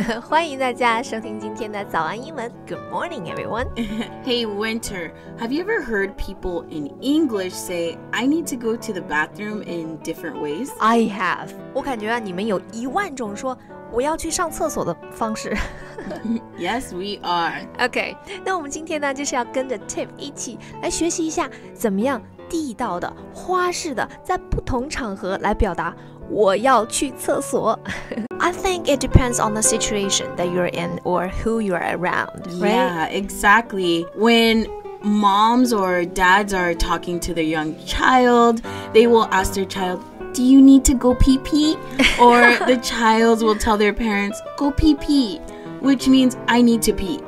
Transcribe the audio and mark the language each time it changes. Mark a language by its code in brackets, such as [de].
[zh] 欢迎大家收听今天的早安英文。 [en] Good morning everyone. Hey Winter, have you ever heard people in English say, I need to go to the bathroom in different ways? I have. [zh] 我感觉啊，你们有一万种说我要去上厕所的方式。 [en] Yes, we are. [zh] Okay, 那我们今天呢，就是要跟着 Tiff 一起来学习一下怎么样地道的、花式的在不同场合来表达我要去厕所。 [en] I think it depends on the situation that you're in or who you're around, right? Yeah, exactly. When moms or dads are talking to their young child, they will ask their child,Do you need to go pee-pee? Or the child will tell their parents, go pee-pee, which means I need to pee.